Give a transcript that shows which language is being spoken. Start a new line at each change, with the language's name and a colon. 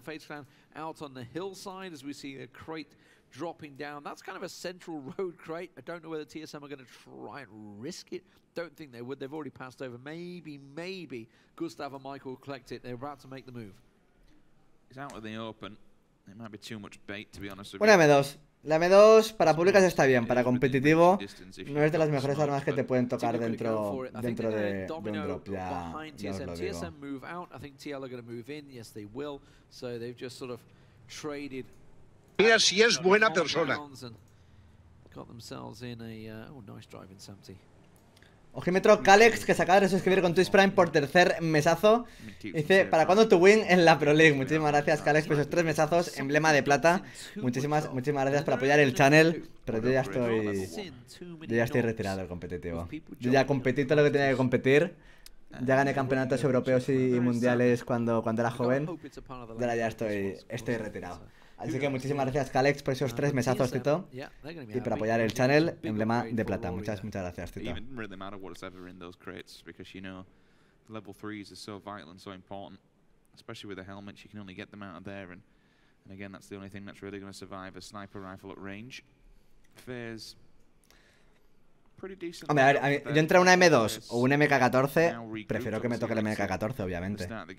English: FaZe Clan out on the hillside as we see a crate dropping down. That's kind of a central road crate. I don't know whether TSM are going to try and risk it. Don't think they would. They've already passed over. Maybe Gustav and Michael will collect it. They're about to make the move. It's out of the open. It might be too much bait, to be honest with you.
Spanish: Una M2. La M2 para públicas está bien, para competitivo no es de las mejores armas que te pueden tocar dentro de un drop. Ya,
English: TSM move out. I think TL are going to move in. Yes, they will. So they've just sort of traded.
Spanish: Si es buena persona.
English: Got themselves in a nice driving 70.
Spanish: Ojímetro Kalex, que se acaba de suscribir con Twitch Prime por tercer mesazo. Dice, ¿para cuándo tu win en la Pro League? Muchísimas gracias, Kalex, por esos tres mesazos, emblema de plata. Muchísimas gracias por apoyar el channel. Pero yo ya estoy retirado del competitivo. Yo ya competí todo lo que tenía que competir. Ya gané campeonatos europeos y mundiales cuando era joven. Y ahora ya estoy retirado. Así que muchísimas gracias, Kalex, por esos tres mesazos, Tito. Y por apoyar el channel, emblema de plata. Muchas gracias, Tito.
English: It doesn't really matter what's ever in those crates, because you know, level 3s are so vital and so important. Especially with the helmets, you can only get them out of there. And again, that's the only thing that's really going to survive, a sniper rifle at range. FaZe.
Spanish: Hombre, a ver, yo entre una M2 o un MK14, prefiero que me toque el MK14, obviamente.